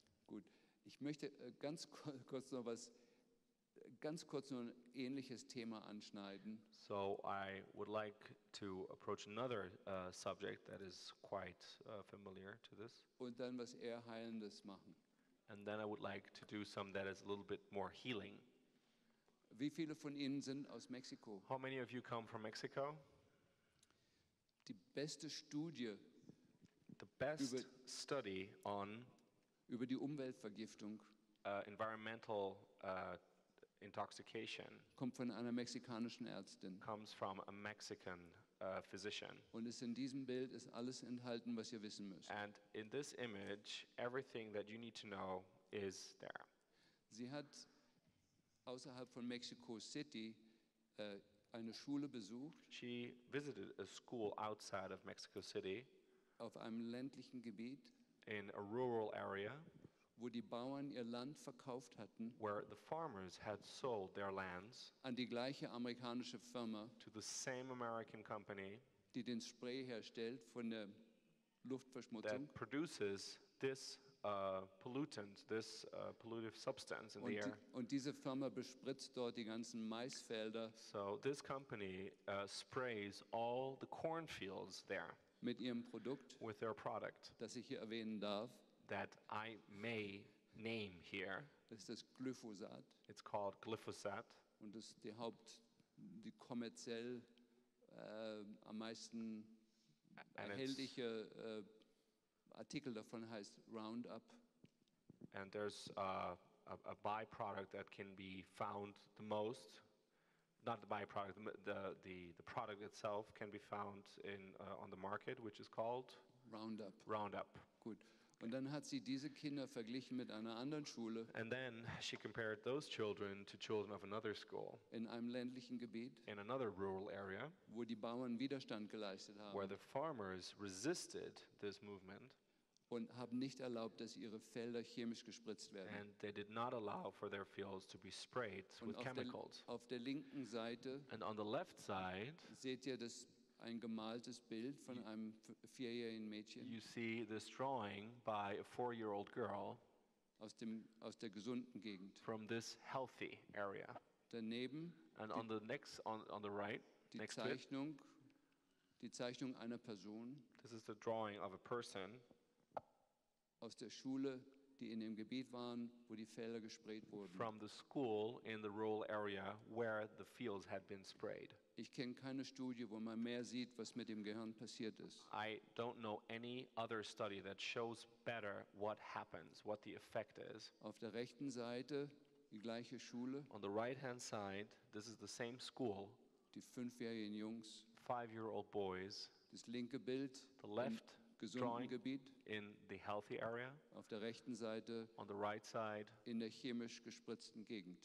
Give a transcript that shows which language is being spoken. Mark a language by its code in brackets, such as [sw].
[de] Gut, ich möchte ganz kurz noch was, ganz kurz noch ein ähnliches Thema anschneiden. [en] So I would like to approach another subject that is quite familiar to this. [de] Und dann was eher Heilendes machen. [en] And then I would like to do some that is a little bit more healing. [de] Wie viele von Ihnen sind aus Mexiko? [en] How many of you come from Mexico? [de] Die beste Studie. [en] The best study on [de] über die Umweltvergiftung [en] environmental intoxication [de] kommt von einer mexikanischen Ärztin. [en] Comes from a Mexican physician. [de] Und es in diesem Bild ist alles enthalten, was ihr wissen müsst. [en] And in this image, everything that you need to know is there. [de] Sie hat außerhalb von Mexico City eine Schule besucht. [en] She visited a school outside of Mexico City. [de] Auf einem ländlichen Gebiet, [en] in a rural area, [de] wo die Bauern ihr Land verkauft hatten, [en] where the farmers had sold their lands, [de] an die gleiche amerikanische Firma, [en] to the same American company, [de] die den Spray herstellt von der Luftverschmutzung, [en] that produces this pollutant, this pollutive substance in [de] und [en] the air. [de] Und diese Firma bespritzt dort die ganzen Maisfelder. [en] So this company sprays all the cornfields there. [de] Mit ihrem Produkt, [en] with their product, [de] das ich hier erwähnen darf, [en] that I may name here, [de] das ist das Glyphosat, [en] It's called glyphosate. [de] Und das die Haupt, die kommerziell am meisten erhältliche Artikel davon heißt Roundup. [en] And there's a byproduct that can be found the most. Not the byproduct, the product itself can be found in on the market, which is called Roundup. Roundup. [de] Gut. Und dann hat sie diese Kinder verglichen mit einer anderen Schule. [en] And then she compared those children to children of another school. [de] In einem ländlichen Gebiet. [en] In another rural area. [de] Wo die Bauern Widerstand geleistet haben. [en] Where the farmers resisted this movement. [de] Und haben nicht erlaubt, dass ihre Felder chemisch gespritzt werden. [en] And they did not allow for their fields to be sprayed with chemicals. [de] Auf der linken Seite. [en] And on the left side. [de] Seht ihr das? Ein gemaltes Bild von einem vierjährigen Mädchen. [en] You see this drawing by a four-year-old girl [de] aus der gesunden Gegend. [en] From this healthy area. [de] Daneben. [en] And on the next, on the right, [de] die next Zeichnung, die Zeichnung einer Person. [en] This is the drawing of a person. [de] Aus der Schule, die in dem Gebiet waren, wo die Felder gesprayt wurden. [en] From the school in the rural area where the fields had been sprayed. [de] Ich kenne keine Studie, wo man mehr sieht, was mit dem Gehirn passiert ist. [en] I don't know any other study that shows better what happens, what the effect is. [de] Auf der rechten Seite die gleiche Schule. [en] On the right hand side, this is the same school. [de] Die fünfjährigen Jungs. [en] Five-year-old boys. [de] Das linke Bild. [en] The left drawing Gebiet. In the healthy area. [de] Auf der rechten Seite. [en] On the right side. [de] In der chemisch gespritzten Gegend.